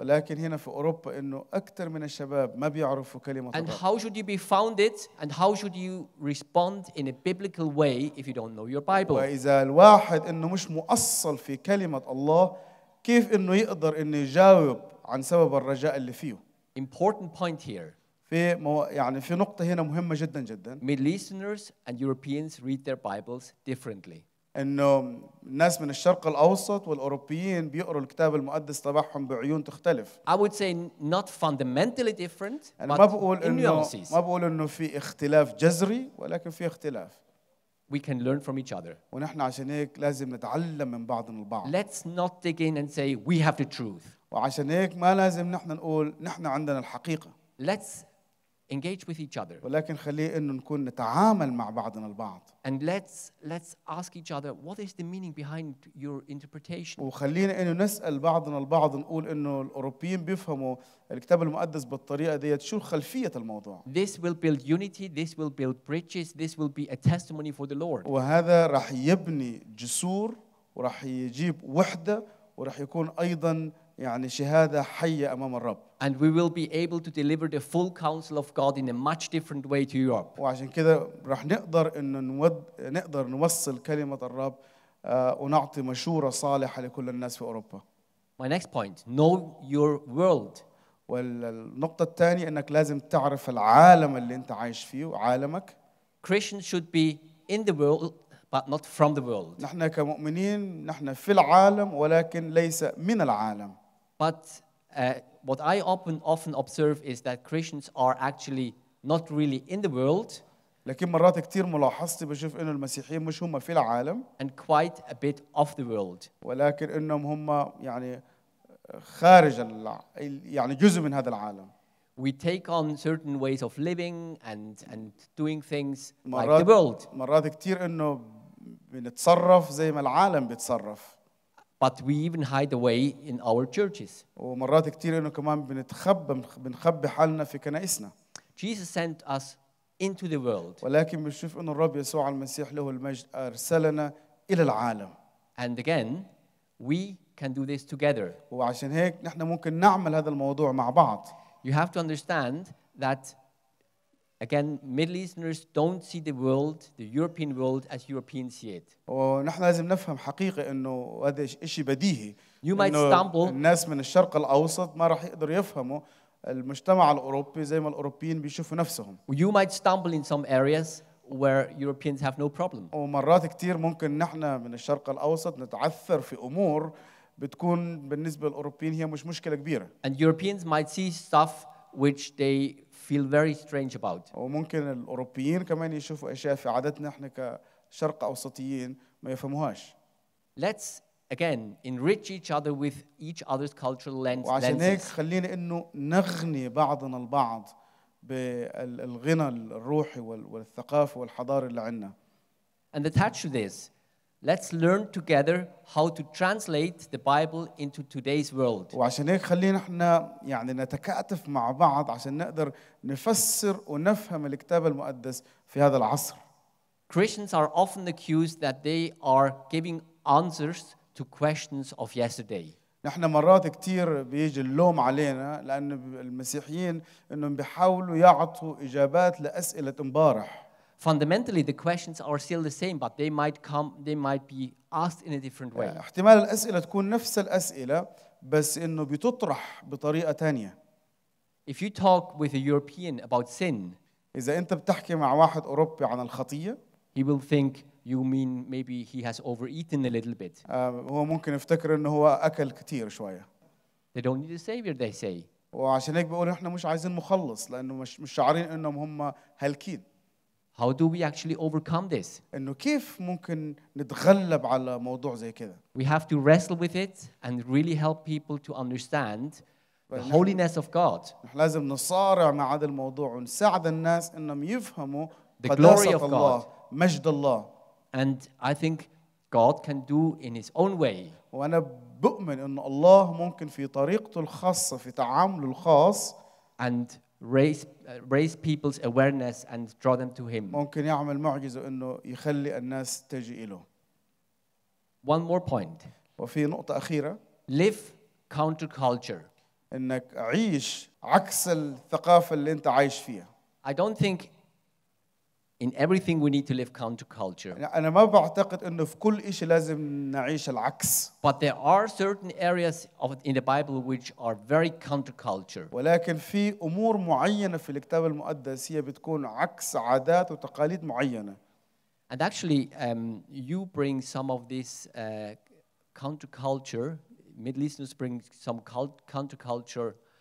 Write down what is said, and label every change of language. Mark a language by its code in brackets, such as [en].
[ar] ولكن هنا في أوروبا إنه أكثر من الشباب ما بيعرفوا كلمة الله. [en] And how should you be founded and how should you respond in a biblical way if you don't know your Bible? [ar] وإذا الواحد إنه مش مؤصل في كلمة الله كيف إنه يقدر إنه يجاوب عن سبب الرجاء اللي فيه؟ [en] Important point here. [ar] في نقطة هنا مهمة جدا. [en] Middle Easterners and Europeans read their Bibles differently. [ar] إنه الناس من الشرق الأوسط والأوروبيين بيقروا الكتاب المقدس تبعهم بعيون تختلف. [en] I would say not fundamentally different, but in nuances. [ar] ما بقول إنه في اختلاف جذري ولكن في اختلاف. [en] We can learn from each other. [ar] ونحن عشان هيك لازم نتعلم من بعضنا البعض. [en] Let's not dig in and say we have the truth. [ar] وعشان هيك ما لازم نحن نقول نحن عندنا الحقيقة. [en] Let's engage with each other. [ar] ولكن خليه إنه نكون نتعامل مع بعضنا البعض. [en] And let's ask each other what is the meaning behind your interpretation. [ar] وخلينا إنه نسأل بعضنا البعض نقول إنه الأوروبيين بيفهموا الكتاب المقدس بالطريقة دي شو خلفية الموضوع. [en] This will build unity. This will build bridges. This will be a testimony for the Lord. [ar] وهذا راح يبني جسور وراح يجيب وحدة وراح يكون أيضا يعني شهادة حية أمام الرب. [en] And we will be able to deliver the full counsel of God in a much different way to Europe. [ar] وعشان كده راح نقدر إنه نقدر نوصل كلمة الرب ونعطي مشورة صالحة لكل الناس في أوروبا. [en] My next point: know your world. [ar] والنقطة الثانية إنك لازم تعرف العالم اللي أنت عايش فيه وعالمك. [en] Christians should be in the world. But not from the world. [ar] نحن كمؤمنين نحن في العالم ولكن ليس من العالم. [en] But what I often observe is that Christians are actually not really in the world. [ar] لكن مرات كتير ملاحظتي بشوف إنه المسيحيين مش هم في العالم. [en] And quite a bit of the world. [ar] ولكن إنهم هم يعني خارج يعني جزء من هذا العالم. [en] We take on certain ways of living and doing things like the world. [ar] مرات كتير إنه بنتصرف زي ما العالم بيتصرف. [en] But we even hide away in our churches. [ar] ومرات كتير إنه كمان بنخبي حالنا في كنائسنا. [en] Jesus sent us into the world. [ar] ولكن بنشوف إنه الرب يسوع المسيح له المجد أرسلنا إلى العالم. [en] And again, we can do this together. [ar] وعشان هيك نحن ممكن نعمل هذا الموضوع مع بعض. [en] You have to understand that, again, Middle Easterners don't see the world, the European world, as Europeans see it. [ar] ونحن لازم نفهم حقيقة إنه هذا إشي بديهي. [en] You might stumble. [ar] الناس من الشرق الأوسط ما راح يقدر يفهموا المجتمع الأوروبي زي ما الأوروبيين بيشوفوا نفسهم. [en] You might stumble in some areas where Europeans have no problem. [ar] ومرات كتير ممكن نحن من الشرق الأوسط نتعثر في أمور بتكون بالنسبة للأوروبيين هي مش مشكلة كبيرة. [en] And Europeans might see stuff which they feel very strange about. [ar] وممكن الأوروبيين كمان يشوفوا أشياء في عادتنا إحنا كشرق أوسطيين ما يفهموهاش. [en] Let's again enrich each other with each other's cultural lenses. [ar] وعشان هيك خلينا إنه نغني بعضنا البعض بالغنى الروحي والثقافة والحضارة اللي عندنا. [en] And attached to this, let's learn together how to translate the Bible into today's world. [ar] وعشان هيك خلينا إحنا يعني نتكاتف مع بعض عشان نقدر نفسر ونفهم الكتاب المقدس في هذا العصر. [en] Christians are often accused that they are giving answers to questions of yesterday. [ar] نحن مرات كتير بيجي اللوم علينا لأن المسيحيين إنهم بيحاولوا يعطوا إجابات لأسئلة امبارح. [en] Fundamentally, the questions are still the same, but they might come, they might be asked in a different way. [ar] احتمال الأسئلة تكون نفس الأسئلة بس إنه بتطرح بطريقة تانية. [en] If you talk with a European about sin, [ar] إذا أنت بتحكي مع واحد أوروبي عن الخطية, [en] he will think you mean maybe he has overeaten a little bit. [ar] هو ممكن يفتكر إنه هو أكل كتير شوية. [en] They don't need a savior, they say. [ar] وعشان هيك بيقولوا إحنا مش عايزين مخلص لأنه مش شعارين إنهم هم هلكين. [en] How do we actually overcome this? [ar] إنه كيف ممكن نتغلب على موضوع زي كذا؟ [en] We have to wrestle with it and really help people to understand the holiness of God. [ar] لازم نصارع مع هذا الموضوع ونساعد الناس إنهم يفهموا [en] the glory of [ar] الله, [en] God. [ar] مجد الله. [en] And I think God can do in His own way. [ar] وأنا بؤمن إن الله ممكن في طريقته الخاصة في تعامله الخاص. [en] And raise people's awareness and draw them to Him. [ar] ممكن يعمل معجزة إنه يخلي الناس تجي إله. [en] One more point. [ar] وفي نقطة أخيرة. [en] Live counterculture. [ar] إنك عيش عكس الثقافة اللي أنت عايش فيها. [en] I don't think in everything we need to live counterculture. [ar] أنا ما بعتقد إنه في كل إشي لازم نعيش العكس. [en] But there are certain areas of in the Bible which are very counterculture. [ar] ولكن في أمور معينة في الكتاب المقدس هي بتكون عكس عادات وتقاليد معينة. [en] And actually, you bring some of this counterculture. Middle Easterners bring some counterculture.